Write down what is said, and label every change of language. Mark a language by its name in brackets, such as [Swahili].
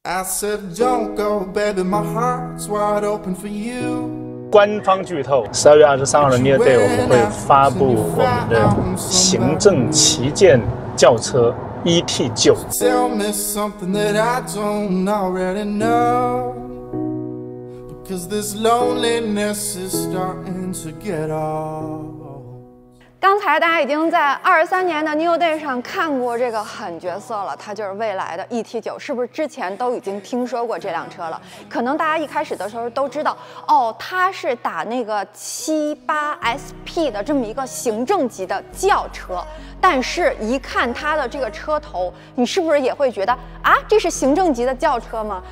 [English] I said, don't go, baby, my heart's wide open for you。 [Chinese] 官方剧透，12月23号的 Near Day 我们会发布我们的行政旗舰轿车 ET9。 [English] Tell me something that I don't already know, because this loneliness is starting to get old。 [Chinese] 刚才大家已经在23年的 New Day 上看过这个狠角色了，它就是未来的 ET9， 是不是之前都已经听说过这辆车了？可能大家一开始的时候都知道，哦，它是打那个78SP 的这么一个行政级的轿车，但是一看它的这个车头，你是不是也会觉得啊，这是行政级的轿车吗？